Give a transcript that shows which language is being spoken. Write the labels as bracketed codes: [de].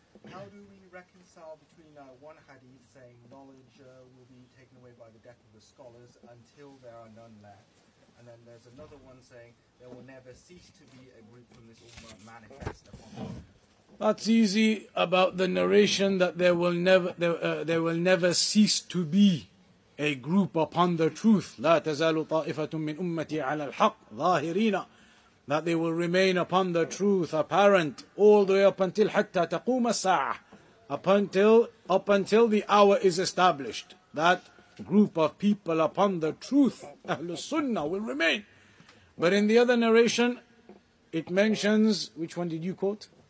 [en] How do we reconcile between one hadith saying knowledge will be taken away by the death of the scholars until there are none left, and then there's another one saying there will never cease to be a group from this ummah manifest upon them? That's easy about the narration that there will never cease to be a group upon the truth. [ar] لا تزال طائفة من أمتي على الحق ظاهرين. [en] That they will remain upon the truth apparent all the way up until [ar] حتى تقوم الساعة, [en] up until the hour is established. That group of people upon the truth, Ahlul Sunnah, will remain. But in the other narration, it mentions, which one did you quote?